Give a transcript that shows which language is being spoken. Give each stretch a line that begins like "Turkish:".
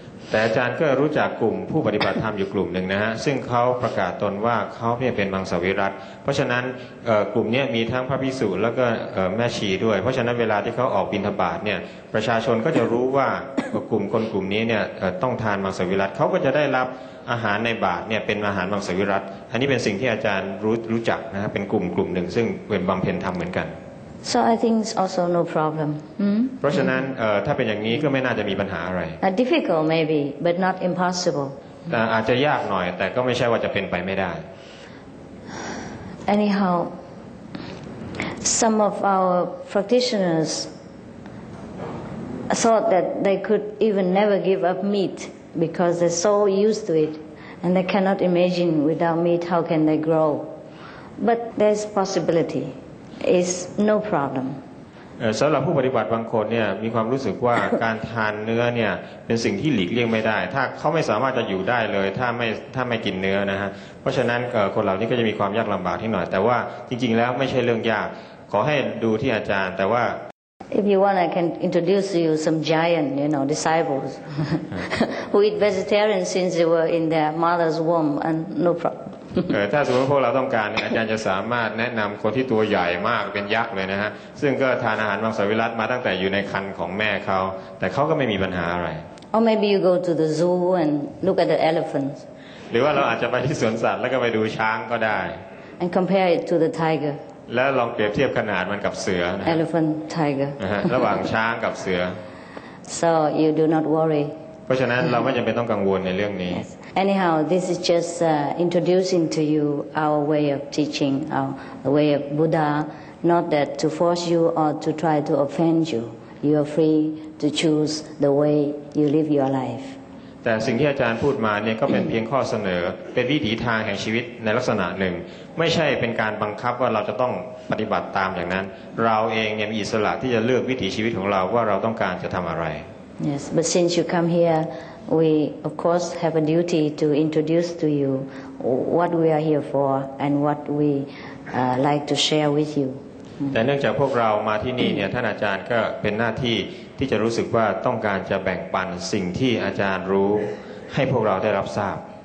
Thai: แต่อาจารย์ก็รู้จักกลุ่มผู้ปฏิบัติธรรมอยู่กลุ่มหนึ่งนะฮะซึ่งเขาประกาศตนว่าเขาเนี่ยเป็นมังสวิรัติเพราะฉะนั้นกลุ่มนี้มีทั้งพระภิกษุแล้วก็แม่ชีด้วยเพราะฉะนั้นเวลาที่เขาออกบิณฑบาตเนี่ยประชาชนก็จะรู้ว่ากลุ่มคนกลุ่มนี้เนี่ยต้องทานมังสวิรัติเขาก็จะได้รับอาหารในบาตรเนี่ยเป็นอาหารมังสวิรัติอันนี้เป็นสิ่งที่อาจารย์รู้จักนะฮะเป็นกลุ่มหนึ่งซึ่งเป็นบำเพ็ญธรรมเหมือนกัน
English: So I think it's also no problem.
Thai: เพราะฉะนั้นถ้าเป็นอย่างนี้ก็ไม่น่าจะมีปัญหาอะไร
English: Difficult maybe, but not impossible.
Thai: แต่อาจจะยากหน่อยแต่ก็ไม่ใช่ว่าจะเป็นไปไม่ได้
English: Anyhow, some of our practitioners thought that they could even never give up meat because they're so used to it, and they cannot imagine without meat how can they grow. But there's possibility. Is no problem.
Thai: สำหรับผู้ปฏิบัติบางคนเนี่ยมีความรู้สึกว่าการทานเนื้อเนี่ยเป็นสิ่งที่หลีกเลี่ยงไม่ได้ถ้าเขาไม่สามารถจะอยู่ได้เลยถ้าไม่กินเนื้อนะฮะเพราะฉะนั้นคนเหล่านี้ก็จะมีความยากลำบากที่หน่อยแต่ว่าจริงๆแล้วไม่ใช่เรื่องยากขอให้ดูที่อาจารย์แต่ว่า
English: If you want, I can introduce you some giant, you know, disciples who eat vegetarian since they were in their mother's womb, and no problem.
Thai: ถ้าสมมติพวกเราต้องการอาจารย์จะสามารถแนะนำคนที่ตัวใหญ่มากเป็นยักษ์เลยนะฮะซึ่งก็ทานอาหารมังสวิรัติมาตั้งแต่อยู่ในครรภ์ของแม่เขาแต่เขาก็ไม่มีปัญหาอะไร
English: Or maybe you go to the zoo and look at the elephants
Thai: หรือว่าเราอาจจะไปที่สวนสัตว์แล้วก็ไปดูช้างก็ได้
English: And compare it to the tiger
Thai: แล้วลองเปรียบเทียบขนาดมันกับเสือ
English: Elephant tiger
Thai: ระหว่างช้างกับเสือ
English: So you do not worry
Thai: เพราะฉะนั้นเราไม่จำเป็นต้องกังวลในเรื่องนี้
English: Anyhow, this is just introducing to you our way of teaching, the way of Buddha, not that to force you or to try to offend you. You are free to choose the way you live your life.
Thai: แต่สิ่งที่อาจารย์พูดมาเนี่ยก็เป็นเพียงข้อเสนอเป็นวิถีทางแห่งชีวิตในลักษณะหนึ่งไม่ใช่เป็นการบังคับว่าเราจะต้องปฏิบัติตามอย่างนั้นเราเองเนี่ยมีอิสระที่จะเลือกวิถีชีวิตของเราว่าเราต้องการจะทำอะไร
English: Yes, but since you come hereWe of course have a duty to introduce to you what we are here for and what we like to share with you.
Thai: แต่เนื่องจากพวกเรามาที่นี่เนี่ยท่านอาจารย์ก็เป็นหน้าที่ที่จะรู้สึกว่าต้องการจะแบ่งปันสิ่งที่อาจารย์รู้ให้พวกเราได้รับทราบ